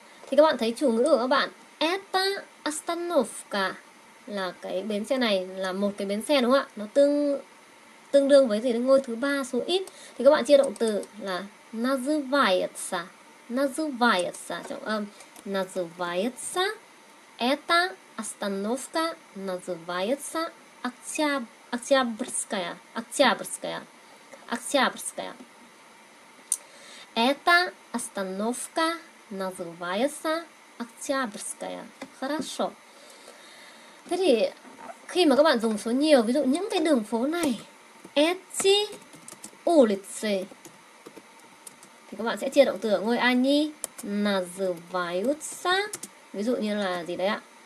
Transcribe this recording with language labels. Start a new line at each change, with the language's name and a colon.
Vietnamese: Thì các bạn thấy chủ ngữ của các bạn
Russian: эта остановка
Vietnamese: là cái bến xe này, là một cái bến xe đúng không ạ? Nó tương đương với gì? Ngôi thứ ba số ít. Thì các bạn chia động từ là называется. Называется, trọng âm называется.
Russian: Эта остановка называется Октябрьская. Октябрьская. Октябрьская. Эта остановка называется Октябрьская. Хорошо.
Vietnamese: Thế thì khi mà các bạn dùng số nhiều, ví dụ những cái đường phố này,
Russian: эти улицы,
Vietnamese: thì các bạn sẽ chia động từ ở ngôi ani называются. Ví dụ như là gì đấy ạ?